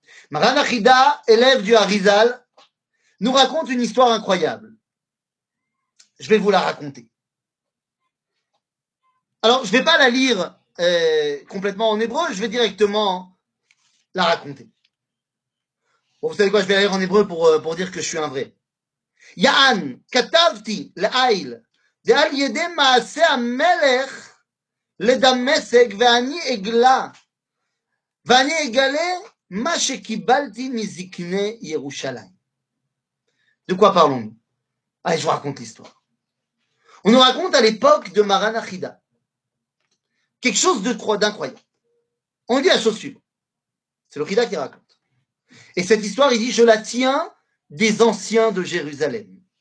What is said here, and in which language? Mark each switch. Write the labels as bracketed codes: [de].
[fr] Maran Achida, élève du Harizal, nous raconte une histoire incroyable. Je vais vous la raconter. Alors, je ne vais pas la lire complètement en hébreu, je vais directement la raconter. Bon, vous savez quoi, je vais la lire en hébreu pour dire que je suis un vrai. [he] Ya'an, katavti, le'ail, de'al yede ma'ase ha'melech, לדמשק ואני אגלה ואני אגלה מה שקיבלתי מזקני ירושלים. [fr] De quoi parlons-nous? Allez, je vous raconte l'histoire. On nous raconte à l'époque de Maran Achida quelque chose d'incroyable. On dit la chose suivante. C'est le Chida qui raconte. Et cette histoire, il dit, je la tiens des anciens de Jérusalem.